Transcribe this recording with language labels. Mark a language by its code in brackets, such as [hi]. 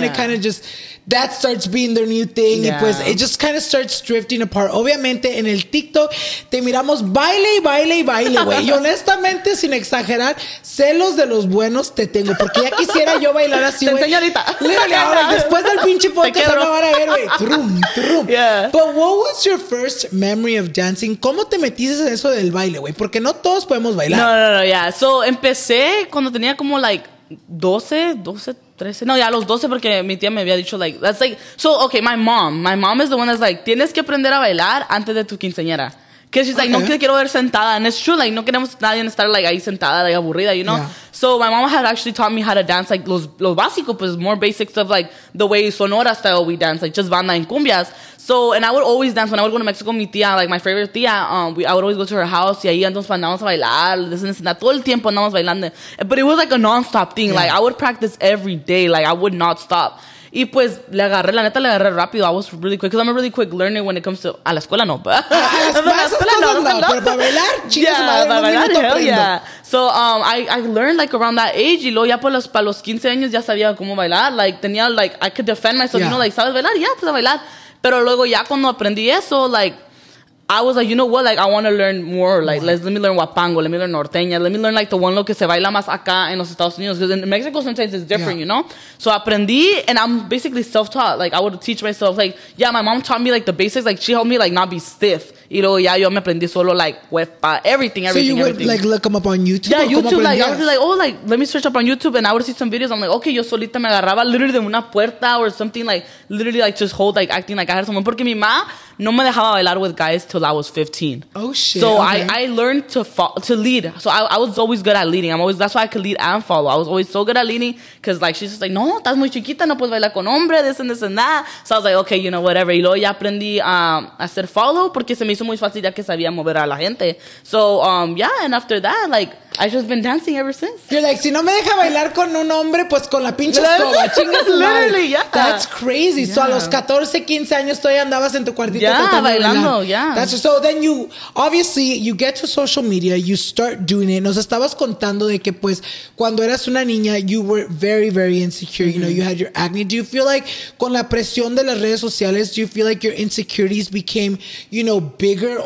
[en] Yeah. It kind of just, that starts being their new thing. Yeah. Pues, it just kind of starts drifting apart. [es] Obviamente, en el TikTok, te miramos baile y baile y baile, güey. Y honestamente, sin exagerar, celos de los buenos te tengo, porque ya quisiera yo bailar así, güey. Te enseño ahorita. Lérale, ahora, después del pinche podcast, ahora van a ver, güey. Trum, trum. [en] Yeah. But what was your first memory of dancing? [es] ¿Cómo te metiste en eso del baile, güey? Porque no todos podemos bailar. [en] No, yeah. [es] So, empecé cuando tenía como, like, 12, 13. No, ya los 12, porque mi tía me había dicho, like, [en] that's like, so, okay, my mom is the one that's like, [es] tienes que aprender a bailar antes de tu quinceañera. [en] Because she's like, okay. [es] No quiero ver sentada. [en] And it's true, like, [es] no queremos nadie estar, like, ahí sentada, like, aburrida, [en] you know? Yeah. So my mom had actually taught me how to dance, like, [es] los básicos, pues, [en] more basic stuff, like, the way Sonora style we dance, like, just banda and cumbias. So, and I would always dance. When I would go to Mexico, mi tía, like, my favorite tía, I would always go to her house, [es] y ahí andamos para andamos a bailar, [en] this and that, [es] todo el tiempo andamos bailando. [en] But it was, like, a non-stop thing. Yeah. Like, I would practice every day. Like, I would not stop. [es] Y pues, le agarré, la neta, le agarré rápido. [en] I was really quick, because I'm a really quick learner when it comes to... [es] A la escuela, no. A la escuela, no. Pero para bailar, chicas, para bailar, [en] hell yeah. So, I learned, like, around that age. [es] Y luego ya para los 15 años ya sabía cómo bailar. [en] Like, tenía, like, I could defend myself. Yeah. You know, like, [es] ¿sabes bailar? [en] Yeah, [es] pues a bailar. Pero luego ya cuando aprendí eso, like... [en] I was like, you know what? Like, I want to learn more. Like, let me learn huapango. Let me learn norteña. Let me learn, like, the one [es] lo que se baila más acá en los Estados Unidos. [en] Because in Mexico, sometimes it's different, you know? So, aprendí, and I'm basically self-taught. Like, I would teach myself. Like, yeah, my mom taught me, like, the basics. Like, she helped me, like, not be stiff. [es] Y luego, ya, yo me aprendí solo, like, everything. [en] So, you Would, like, look them up on YouTube? Yeah, YouTube. Like, I was like, oh, like, let me search up on YouTube, and I would see some videos. I'm like, okay, [es] yo solita me agarraba [en] literally [es] de una puerta [en] or something, like, literally, like, just hold, like, acting like I had someone. [es] Porque mi ma no me dejaba bailar [en] with guys till I was 15. Oh, shit. So, okay. I learned to lead. So, I was always good at leading. That's why I could lead and follow. I was always so good at leading because, like, she's just like, [es] no, estás muy chiquita, no puedes bailar con hombre, [en] this and this and that. So, I was like, okay, you know, whatever. [es] Y luego ya aprendí a hacer follow porque se me hizo muy fácil ya que sabía mover a la gente. [en] So, yeah, and after that, like, I've just been dancing ever since. You're like, [es] si no me deja bailar con un hombre, pues con la pinche escoba. Chingas, [en] literally, yeah. That's crazy. [es] Yeah. So, a los 14, 15 años todavía andabas en tu cuartito. [en] Yeah, bailando, yeah. That's just, so then you, obviously, you get to social media, you start doing it. [es] Nos estabas contando de que, pues, cuando eras una niña, [en] you were very, very insecure. Mm-hmm. You know, you had your acne. Do you feel like, [es] con la presión de las redes sociales, [en] do you feel like your insecurities became, you know, bigger?